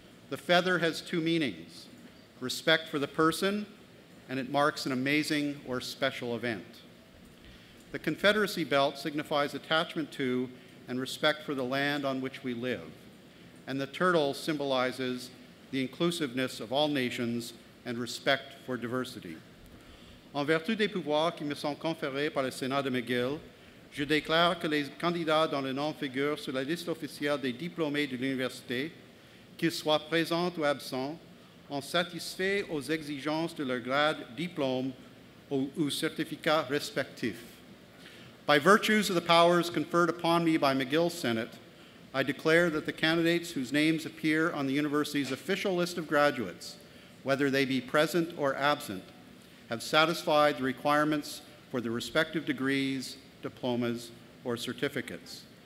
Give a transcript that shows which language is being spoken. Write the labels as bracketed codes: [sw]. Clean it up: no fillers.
[en] The feather has two meanings: respect for the person, and it marks an amazing or special event. The Confederacy belt signifies attachment to and respect for the land on which we live. And the turtle symbolizes the inclusiveness of all nations and respect for diversity. [fr] En vertu des pouvoirs qui me sont conférés par le Sénat de McGill, je déclare que les candidats dont le nom figure sur la liste officielle des diplômés de l'université, qu'ils soient présents ou absents, ont satisfait aux exigences de leur grade, diplôme ou certificat respectif. [en] By virtues of the powers conferred upon me by McGill Senate, I declare that the candidates whose names appear on the university's official list of graduates, whether they be present or absent, have satisfied the requirements for the respective degrees, diplomas, or certificates.